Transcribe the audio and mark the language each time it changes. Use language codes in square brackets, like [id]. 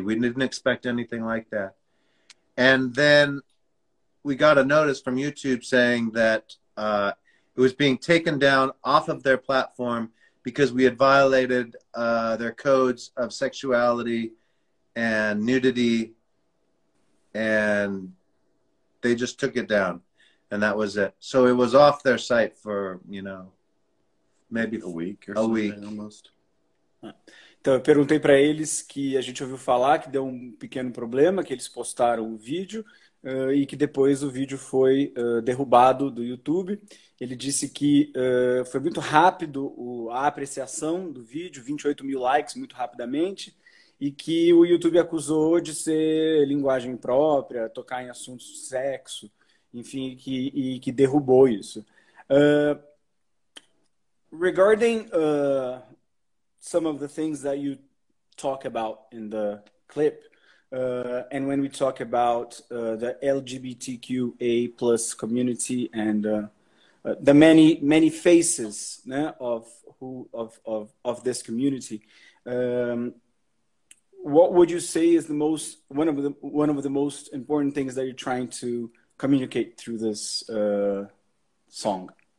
[en] We didn't expect anything like that. And then we got a notice from YouTube saying that it was being taken down off of their platform because we had violated their codes of sexuality and nudity. And they just took it down. And that was it. So it was off their site for, you know, maybe a week or something, almost. [pt] Então, eu perguntei para eles que a gente ouviu falar que deu um pequeno problema, que eles postaram o vídeo e que depois o vídeo foi derrubado do YouTube. Ele disse que foi muito rápido a apreciação do vídeo, 28 mil likes muito rapidamente, e que o YouTube acusou de ser linguagem própria, tocar em assuntos de sexo, enfim, que derrubou isso. [en] Regarding some of the things that you talk about in the clip, and when we talk about the LGBTQA plus community and the many, many faces, né, of this community, what would you say is the most, one of the most important things that you're trying to communicate through this song?